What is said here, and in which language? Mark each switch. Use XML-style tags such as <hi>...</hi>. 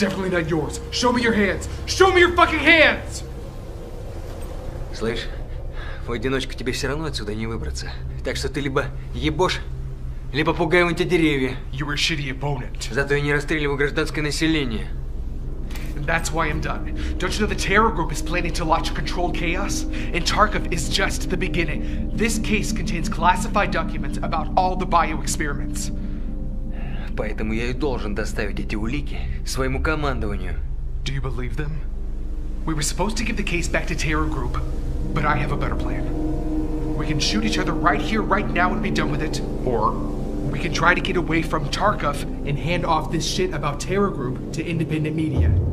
<en>Not yours. Show me your hands. Show me your fucking hands.</en> <ru>Слышь, в одиночку тебе все равно отсюда не выбраться. Так что ты либо ебошь, либо пугаем эти деревья.</ru> <en>You were a shitty opponent.</en> <ru>Зато я не расстреливаю гражданское население.</ru> <en>And that's why I'm done. Don't you know the terror group is planning to launch controlled chaos? And Tarkov is just the beginning. This case contains classified documents about all the bio experiments.</en> <ru>Поэтому я и должен доставить эти улики своему командованию.</ru> <en>Do you believe them? We were supposed to give the case back to Terror Group, but I have a better plan. We can shoot each other right here, right now, and be done with it. Or we can try to get away from Tarkov and hand off this shit about Terror Group to independent media.</en>